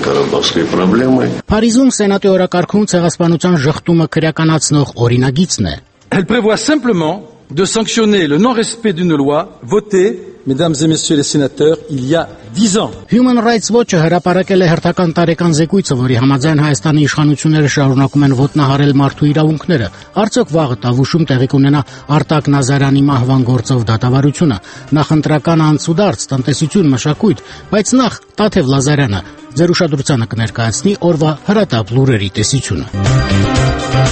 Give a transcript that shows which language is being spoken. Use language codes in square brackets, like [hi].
[hy] Փարիզում Սենատի օրակարգում ցեղասպանության ժխտումը քրեականացնող օրինագիծն է. [fr] Elle prévoit simplement de sanctionner le non-respect d'une loi votée, mesdames et messieurs les sénateurs, il y a 10 ans. [hy] Human Rights Watch-ը հրապարակել է հերթական տարեկան զեկույցը, որի համաձայն Հայաստանի իշխանությունները շարունակում են ոտնահարել մարդու իրավունքները։ Արդյոք վաղը Տավուշում տեղի ունենա Արտակ Նազարյանի մահվան գործով դատավարությունը, նախընտրական անցուդարձ, տնտեսություն, մշակույթ, բայց նախ Տաթև Լազարյանը ձեր ուշադրությանը կներկայացնի օրվա հրատապ լուրերի տեսությունը։